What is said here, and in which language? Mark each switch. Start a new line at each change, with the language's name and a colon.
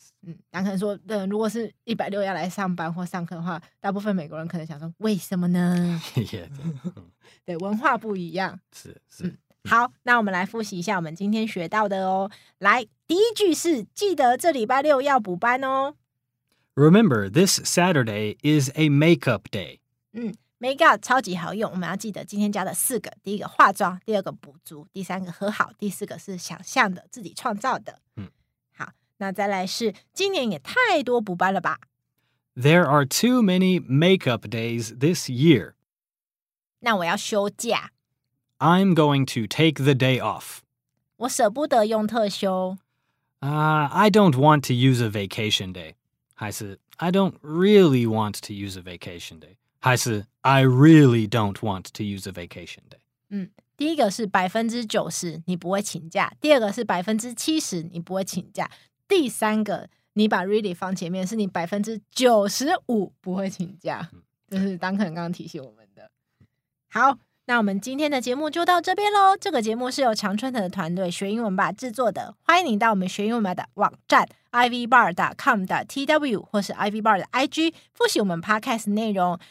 Chinese: 嗯，杨肯说，嗯，如果是160要来上班或上课的话，大部分美国人可能想说，为什么呢？对，文化不一样。是是，嗯。好，那我们来复习一下我们今天学到的哦。来，第一句是记得这礼拜六要补班哦。
English: Remember, this Saturday is a makeup day.
Chinese: 嗯 ，makeup 超级好用，我们要记得今天教的四个：第一个化妆，第二个补足，第三个和好，第四个是想象的，自己创造的。嗯。那再来是今年也太多补班了吧。
English: There are too many makeup days this year.
Chinese: 那我要休假。
English: I'm going to take the day off.
Chinese: 我舍不得用特休。
English: I don't want to use a vacation day. 还是 I don't really want to use a vacation day. 还是 I really don't want to use a vacation day.
Chinese: 嗯，第一个是 90% 你不会请假，第二个是 70% 你不会请假，第三个你把 really 放前面是你95%不会请假，这是Duncan刚刚提醒我们的。好，那我们今天的节目就到这边咯。这个节目是由常春藤的团队学英文吧制作的，欢迎你到我们学英文吧的网站 ivbar.com.tw 或是 ivbar 的 IG 复习我们 podcast 内容。